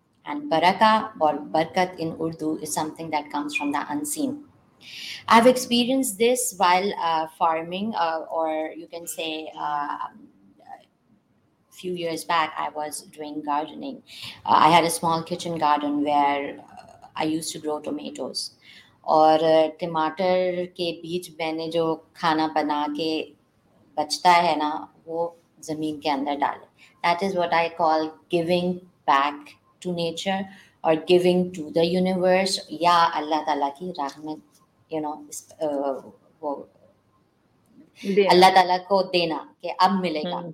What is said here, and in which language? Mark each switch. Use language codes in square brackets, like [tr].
[en] And baraka or barkat in Urdu is something that comes from the unseen. I've experienced this while farming, or you can say few years back, I was doing gardening. I had a small kitchen garden where I used to grow tomatoes. [hi] और टमाटर के बीच मैंने जो खाना बना के बचता है ना वो ज़मीन के अंदर डाले. [en] That is what I call giving back to nature or giving to the universe [hi] या अल्लाह ताला की रहमत, [en] you know, [hi] वो अल्लाह ताला को देना कि अब मिलेगा.